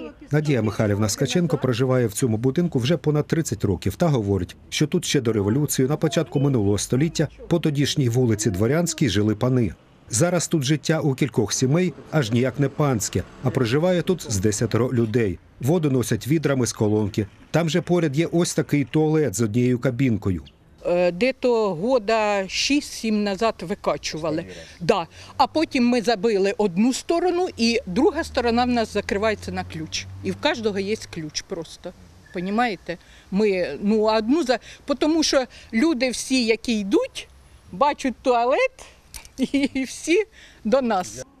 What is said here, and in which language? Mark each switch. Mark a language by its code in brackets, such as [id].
[uk] Надія Михайлівна Скаченко проживає в цьому будинку вже понад 30 років та говорить, що тут ще до революції, на початку минулого століття, по тодішній вулиці Дворянській жили пани. Зараз тут життя у кількох сімей аж ніяк не панське, а проживає тут з 10 людей. Воду носять відрами з колонки. Там же поряд є ось такий туалет з однією кабінкою. [ru] Дето года 6-7 назад [uk] викачували. [ru] Да. [uk] А потім ми забили одну сторону, і друга сторона в нас закривається на ключ. І в кожного є ключ просто. Понімаєте? Ми, ну, одну за... Тому що люди всі, які йдуть, бачать туалет і всі до нас.